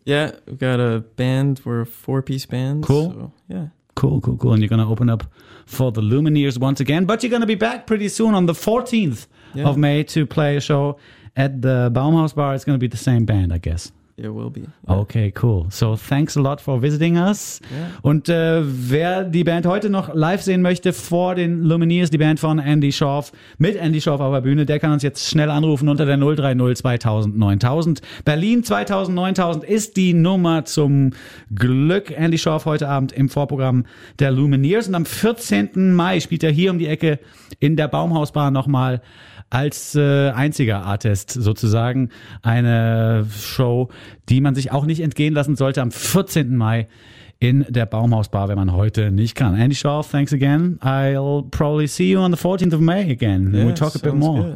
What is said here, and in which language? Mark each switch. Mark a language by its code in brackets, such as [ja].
[en] Yeah, we've got a band. We're a four-piece band. Cool. So, cool. And you're going to open up for the Lumineers once again. But you're going to be back pretty soon on the 14th. Yeah. Of May to play a show at the Baumhaus Bar. It's going to be the same band, I guess. There will be. Yeah. Okay, cool. So thanks a lot for visiting us. Yeah. [de] Und wer die Band heute noch live sehen möchte vor den Lumineers, die Band von Andy Schorf, mit Andy Schorf auf der Bühne, der kann uns jetzt schnell anrufen unter der 030 2000 9000. Berlin 2000 9000 ist die Nummer zum Glück. Andy Schorf heute Abend im Vorprogramm der Lumineers. Und am 14. Mai spielt er hier um die Ecke in der Baumhausbar nochmal als einziger Artist sozusagen eine Show, die man sich auch nicht entgehen lassen sollte am 14. Mai in der Baumhausbar, wenn man heute nicht kann. [en] Andy Schorf, thanks again. I'll probably see you on the 14th of May again. Yeah, we'll talk a bit more.